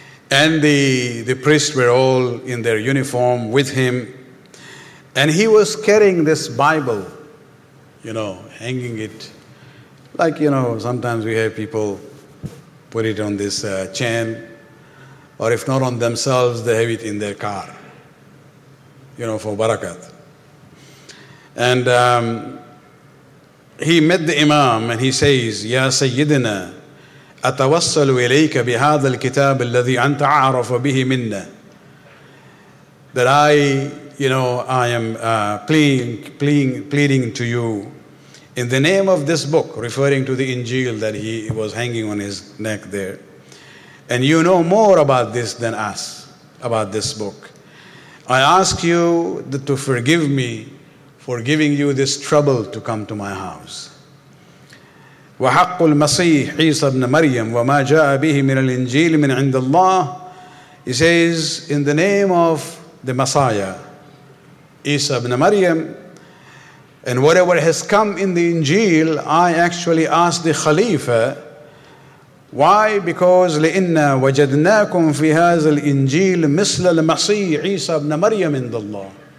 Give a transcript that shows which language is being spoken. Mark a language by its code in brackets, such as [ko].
[en] And the priests were all in their uniform with him, and he was carrying this Bible, hanging it, like, sometimes we have people put it on this chain, or if not on themselves, they have it in their car, for barakat. And he met the Imam and he says, Ya Sayyidina, [ar] أتوصل إليك بهذا الكتاب الذي أنت عارف به منا. [en] That I, I am pleading to you in the name of this book, referring to the Injil that he was hanging on his neck there. And you know more about this than us, about this book. I ask you to forgive me for giving you this trouble to come to my house. [ar] وحق المسيح عيسى بن مريم وما جاء به من الإنجيل من عند الله. [en] He says, in the name of the Messiah, Isa ibn Maryam, and whatever has come in the Injil, I actually asked the Khalifa. Why? Because [ar] لِإِنَّا وَجَدْنَاكُمْ فِي هَذَا الْإِنْجِيلِ مِثْلَ الْمَسِيحِ عِيسَى بْنَ مَرْيَمْ عِنْدَ اللَّهِ.